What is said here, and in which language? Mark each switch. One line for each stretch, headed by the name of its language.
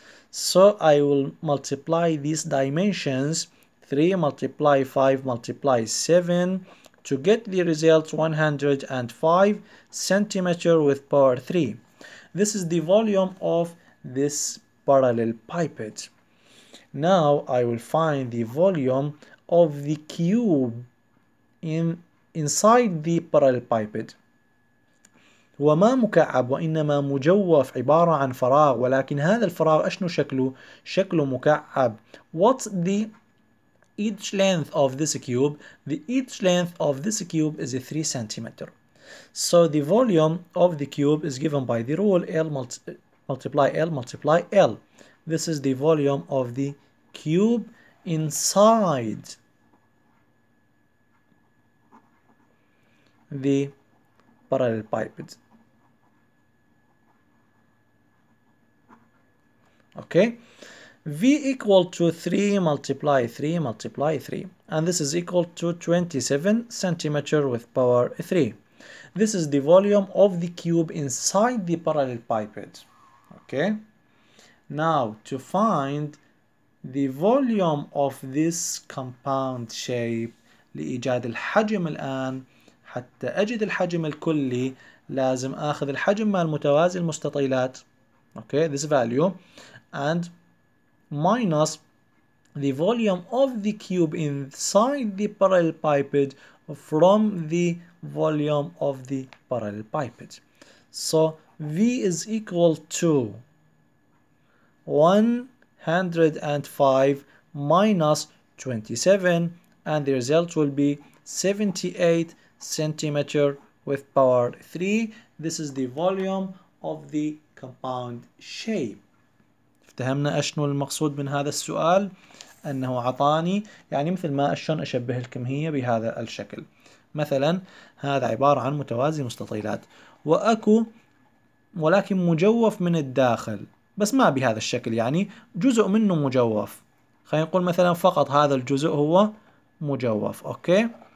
English: So I will multiply these dimensions, 3 multiply 5 multiply 7, to get the result 105 centimeter with power 3. This is the volume of this parallel biped. Now I will find the volume of the cube inside the parallel biped.
Arabic: هو ما مكعب وإنما مجوف عبارة عن فراغ، ولكن هذا الفراغ أشنو شكله؟ شكله مكعب.
English: What's the each length of this cube? The each length of this cube is 3 centimeter. So the volume of the cube is given by the rule L multiply L multiply L. This is the volume of the cube inside the parallel biped. Okay. V equal to 3 multiply 3 multiply 3, and this is equal to 27 centimeter with power 3. This is the volume of the cube inside the parallel biped. Okay, now to find the volume of this compound shape,
Arabic: لإيجاد الحجم الآن، حتى أجد الحجم الكلي لازم أخذ الحجم مع المتوازي المستطيلات.
English: Okay, this value, and minus the volume of the cube inside the parallel biped from the volume of the parallel biped. So V is equal to 105 minus 27, and the result will be 78 centimeter with power 3. This is the volume of the compound shape.
Arabic: فهمنا اشنو المقصود من هذا السؤال؟ أنه عطاني، يعني مثل ما شلون أشبه الكمية بهذا الشكل. مثلا هذا عبارة عن متوازي مستطيلات، وأكو ولكن مجوف من الداخل بس ما بهذا الشكل، يعني جزء منه مجوف. خلينا نقول مثلا فقط هذا الجزء هو مجوف، أوكي.